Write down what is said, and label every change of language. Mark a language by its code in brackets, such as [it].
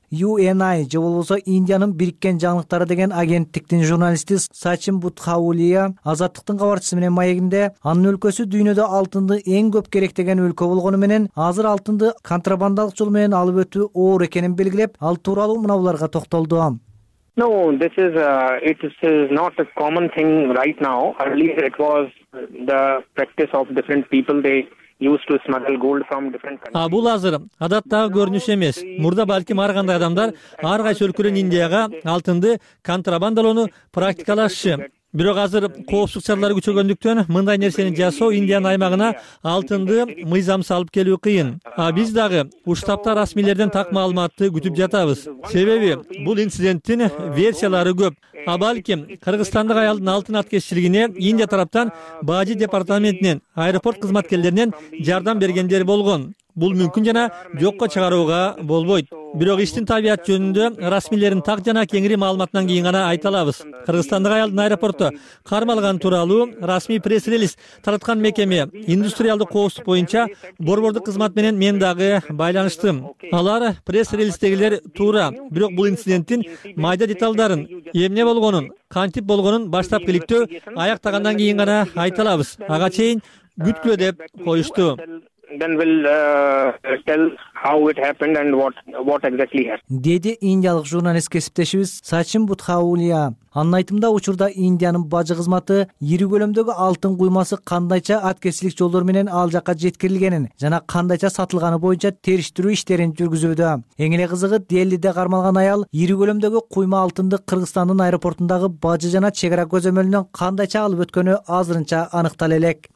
[ky] UNI же болбосо Индиянын бириккен жаңылыктары деген агенттиктин журналисти Сачин Бутхаулия Азаттыктын кабарчысы менен маегинде анын өлкөсү дүйнөдө алтынды эң көп керектеген өлкө болгону менен азыр алтынды контрабандалык жол менен алып өтүү оор экенин белгилеп, ал тууралуу мынауларга токтолду. [en] No, this is it is not a common thing right now. Earlier it was the practice of different people. They used to smuggle gold from different countries. [ky] А бул азыр адаттагы көрүнүш эмес. Мурда балким ар кандай адамдар ар кайсы өлкөдөн Индияга алтынды контрабандалоону практикалашчу. Бирок азыр коопсуздук чаралары күчөгөндүктөн мындай нерсени жасоо Индиянын аймагына алтынды мыйзамсыз алып келүү кыйын. А биз дагы уштапта расмийлерден так маалыматты күтүп жатабыз. Себеби бул инциденттин версиялары көп. А балким кыргызстандык аялдын алтын ат кесчилигине Индия тараптан бажы департаментинен аэропорт кызматкерлеринен жардам бергендер болгон. Бул мүмкүн жана жокко чыгарууга болбойт. Бирок иштин табияты жөнүндө расмийлердин так жана кеңири маалыматынан кийин гана айта алабыз. Кыргызстандагы аялдын аэропортто кармалганы тууралуу расмий пресс-релиз тараткан мекеме индустриалдык коопсуздук боюнча борбордук кызмат менен мен дагы байланыштым. Алар пресс-релиздегилер туура, бирок бул инциденттин майда деталдарын, эмне болгонун, кантип болгонун баштапкы иликтөө аяктагандан кийин гана айта алабыз. Ага чейин күткүлө деп коюшту. [en] Then we'll tell how it happened and what exactly happened. [ky] Деди индиялык журналист кесиптешибиз Сачин Бутхаулия. Анын айтымында учурда Индиянын бажы кызматы ири көлөмдөгү алтын куймасы кандайча аткесилик жолдор менен ал жакка жеткирилгенин жана кандайча сатылганы боюнча териштирүү иштерин жүргүзүүдө. Эң эле кызыгы Делиде кармалган аял ири көлөмдөгү куйма алтынды Кыргызстандын аэропортундагы бажы жана чек ара көзөмөлүнөн кандайча алып өткөнү азырынча аныктала элек.